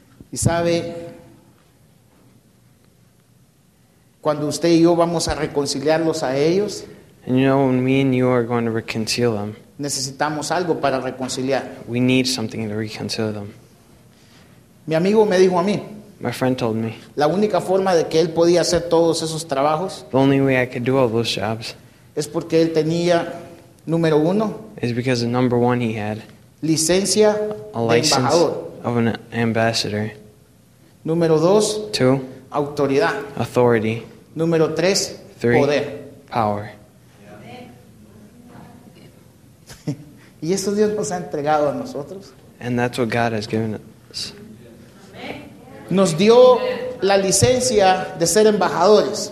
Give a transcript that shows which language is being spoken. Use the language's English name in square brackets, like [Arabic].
[Spanish] Y sabe, cuando usted y yo vamos a reconciliarlos a ellos. [English] And you know, when me and you are going to reconcile them. [Spanish] Necesitamos algo para reconciliar. [English] We need something to reconcile them. [Spanish] Mi amigo me dijo a mí. [English] My friend told me. [Spanish] La única forma de que él podía hacer todos esos trabajos. [English] The only way I could do all those jobs. [Spanish] Es porque él tenía, número uno. [English] Is because the number one he had. [Spanish] Licencia [English] a license [Spanish] de embajador. [English] Of an ambassador. [Spanish] Número dos. [English] Two. [Spanish] Autoridad. [English] Authority. [Spanish] Número tres. [English] Three. [Spanish] Poder. [English] Power. [Spanish] Y eso Dios nos ha entregado a nosotros. [English] And that's what God has given us. [Spanish] Nos dio la licencia de ser embajadores.